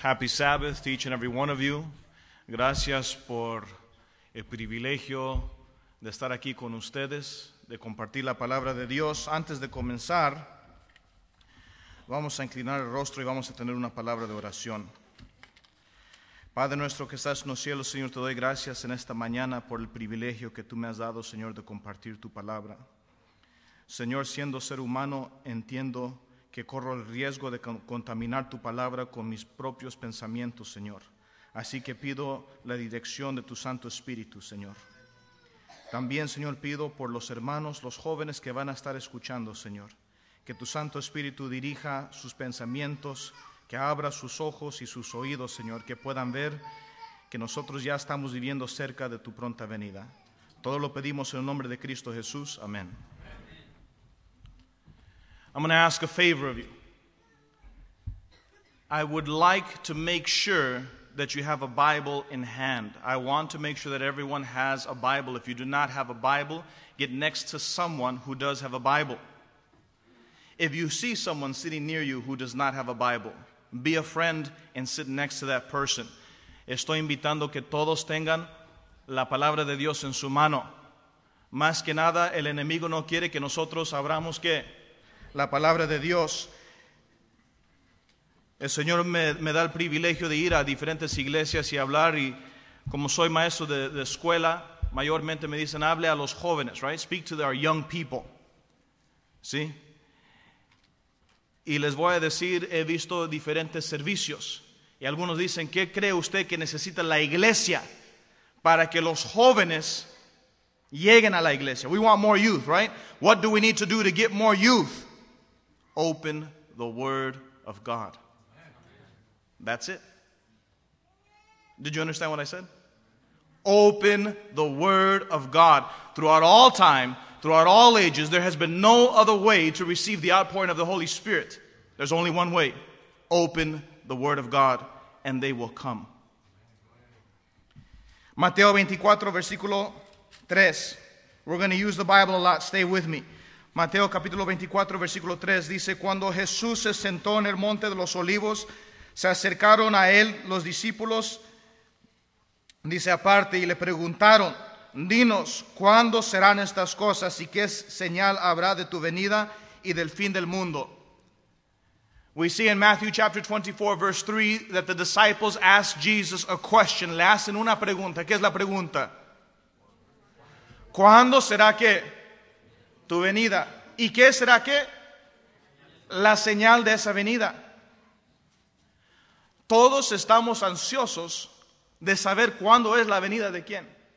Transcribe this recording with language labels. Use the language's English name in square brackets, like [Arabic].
[English] Happy Sabbath to each and every one of you. [Spanish] Gracias por el privilegio de estar aquí con ustedes, de compartir la palabra de Dios. Antes de comenzar, vamos a inclinar el rostro y vamos a tener una palabra de oración. Padre nuestro que estás en los cielos, Señor, te doy gracias en esta mañana por el privilegio que tú me has dado, Señor, de compartir tu palabra. Señor, siendo ser humano, entiendo que corro el riesgo de contaminar tu palabra con mis propios pensamientos, Señor. Así que pido la dirección de tu Santo Espíritu, Señor. También, Señor, pido por los hermanos, los jóvenes que van a estar escuchando, Señor, que tu Santo Espíritu dirija sus pensamientos, que abra sus ojos y sus oídos, Señor, que puedan ver que nosotros ya estamos viviendo cerca de tu pronta venida. Todo lo pedimos en el nombre de Cristo Jesús. Amén. [English] I'm going to ask a favor of you. I would like to make sure that you have a Bible in hand. I want to make sure that everyone has a Bible. If you do not have a Bible, get next to someone who does have a Bible. If you see someone sitting near you who does not have a Bible, be a friend and sit next to that person. [Spanish] Estoy invitando que todos tengan la palabra de Dios en su mano. Más que nada, el enemigo no quiere que nosotros abramos que la palabra de Dios. El Señor me da el privilegio de ir a diferentes iglesias y hablar, y como soy maestro de escuela, mayormente me dicen, hable a los jóvenes, [English] right? Speak to our young people. [Spanish] ¿Sí? Y les voy a decir, he visto diferentes servicios, y algunos dicen, ¿qué cree usted que necesita la iglesia para que los jóvenes lleguen a la iglesia? [English] We want more youth, right? What do we need to do to get more youth? Open the Word of God. That's it. Did you understand what I said? Open the Word of God. Throughout all time, throughout all ages, there has been no other way to receive the outpouring of the Holy Spirit. There's only one way. Open the Word of God, and they will come. [Spanish] Mateo 24, versículo 3. [English] We're going to use the Bible a lot. Stay with me. [Spanish] Mateo capítulo 24, versículo 3, dice, cuando Jesús se sentó en el monte de los olivos, se acercaron a él los discípulos, dice aparte, y le preguntaron, dinos, ¿cuándo serán estas cosas y qué señal habrá de tu venida y del fin del mundo? [English] We see in Matthew chapter 24, verse 3, that the disciples ask Jesus a question. [Spanish] Le hacen una pregunta. ¿Qué es la pregunta? ¿Cuándo será que tu venida? ¿Y qué será qué? La señal de esa venida. Todos estamos ansiosos de saber cuándo es la venida de quién.